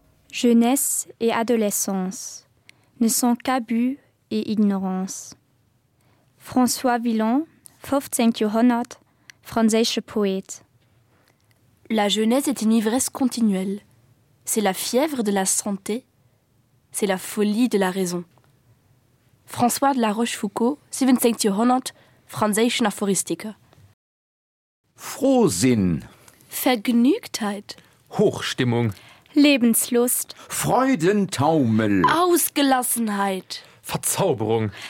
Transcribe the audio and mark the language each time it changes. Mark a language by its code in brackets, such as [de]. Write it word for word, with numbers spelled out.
[fr] Jeunesse et adolescence ne sont qu'abus et ignorance. [de] François Villon, fünfzehnten Jahrhundert, französischer Poète. [fr] La jeunesse est une ivresse continuelle. C'est la fièvre de la santé. C'est la folie de la raison. [de] François de la Rochefoucauld, siebzehnten Jahrhundert, französischer Aphoristiker. Frohsinn. Vergnügtheit. Hochstimmung. Lebenslust. Freudentaumel. Ausgelassenheit. Verzauberung.